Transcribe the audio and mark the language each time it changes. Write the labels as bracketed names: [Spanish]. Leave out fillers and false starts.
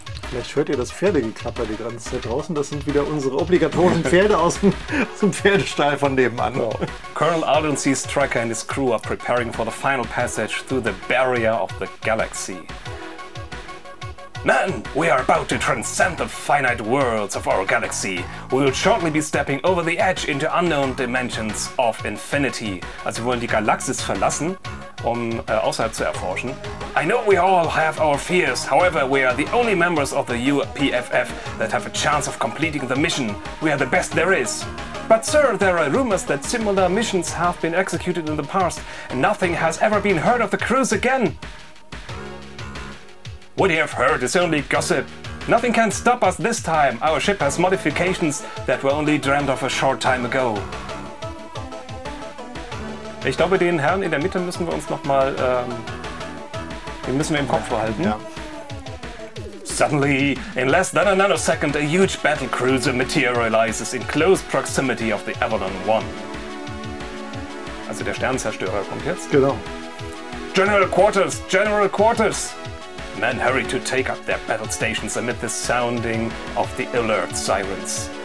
[German] Vielleicht hört ihr das Pferdegeklapper die ganze Zeit draußen. Das sind wieder unsere obligatorischen Pferde aus dem Pferdestall von nebenan. [English] So. Colonel Alden C. Stryker and his crew are preparing for the final passage through the barrier of the galaxy. Men, we are about to transcend the finite worlds of our galaxy. We will shortly be stepping over the edge into unknown dimensions of infinity. [German] Also wir wollen die Galaxis verlassen, um außerhalb zu erforschen. [English] I know we all have our fears. However, we are the only members of the UPFF that have a chance of completing the mission. We are the best there is. But sir, there are rumors that similar missions have been executed in the past, and nothing has ever been heard of the crews again. What you have heard is only gossip. Nothing can stop us this time. Our ship has modifications that were only dreamt of a short time ago. [German] Ich glaube, den Herrn in der Mitte müssen wir uns nochmal, den müssen wir im Kopf behalten. Ja. [English] Suddenly, in less than a nanosecond, a huge battlecruiser materializes in close proximity of the Avalon 1. [German] Also der Sternzerstörer kommt jetzt. Genau. [English] General Quarters! General Quarters! Men hurry to take up their battle stations amid the sounding of the alert sirens.